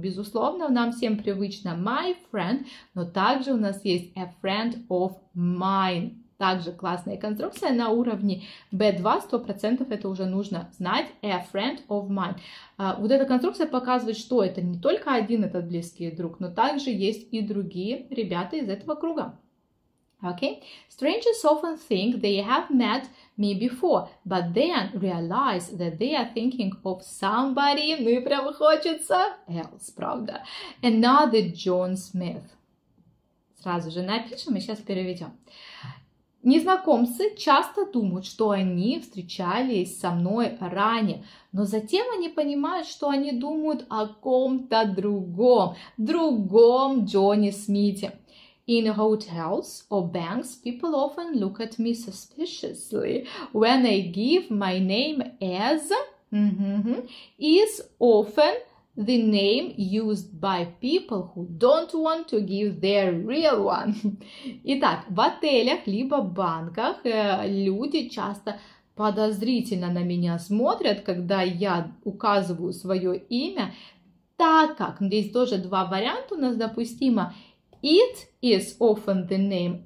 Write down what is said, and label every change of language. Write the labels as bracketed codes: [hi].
[ru] Безусловно, нам всем привычно [en] my friend, [ru] но также у нас есть [en] a friend of mine. [ru] Также классная конструкция на уровне B2, 100% это уже нужно знать, [en] a friend of mine. [ru] Вот эта конструкция показывает, что это не только один этот близкий друг, но также есть и другие ребята из этого круга. [en] Okay, strangers often think they have met me before, but then realize that they are thinking of somebody, [ru] ну и прям хочется, [en] else, [ru] правда, [en] another John Smith. [ru] Сразу же напишем и сейчас переведем. Незнакомцы часто думают, что они встречались со мной ранее, но затем они понимают, что они думают о ком-то другом, другом Джонни Смите. [en] In hotels or banks, people often look at me suspiciously when I give my name as is often the name used by people who don't want to give their real one. [ru] Итак, в отелях либо банках люди часто подозрительно на меня смотрят, когда я указываю свое имя, так как здесь тоже два варианта у нас допустимо. [en] It is often the name.